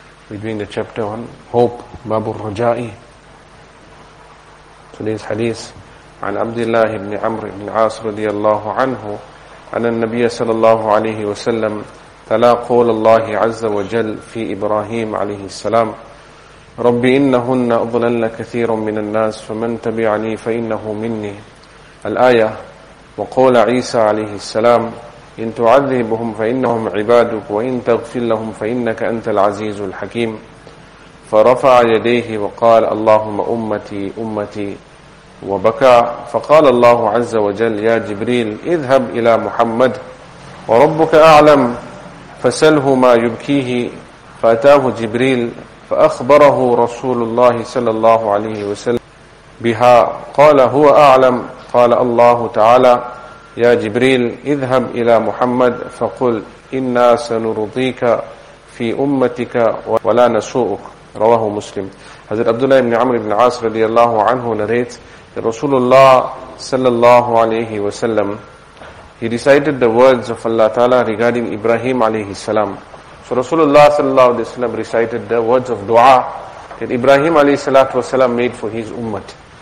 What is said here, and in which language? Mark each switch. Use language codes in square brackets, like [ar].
[en] We're doing the chapter on hope, Babu Raja'i. Today's hadith, [ar] عن عبد الله بن عمرو بن عاص رضي الله عنه عن النبي صلى الله عليه وسلم تلا قول الله عز وجل في إبراهيم عليه السلام رب إنهن أضلل كثير من الناس فمن تبعني فإنه مني الآية وقول عيسى عليه السلام إن تعذبهم فإنهم عبادك وإن تغفر لهم فإنك أنت العزيز الحكيم فرفع يديه وقال اللهم أمتي أمتي وبكى فقال الله عز وجل يا جبريل اذهب إلى محمد وربك أعلم فسله ما يبكيه فأتاه جبريل فأخبره رسول الله صلى الله عليه وسلم بها قال هو أعلم قال الله تعالى يا جبريل اذهب إلى محمد فقل إنا سنرضيك في أمتك ولا نسوءك رواه مسلم. [en] حضرت عبداللہ بن عمرو بن عاص رضی اللہ عنہ narrates that Rasulullah sallallahu alayhi wa sallam, he recited the words of Allah Ta'ala regarding Ibrahim alayhi salam. So Rasulullah sallallahu alayhi wa sallam recited the words of dua that Ibrahim alayhi salatu wa sallam made for his ummat.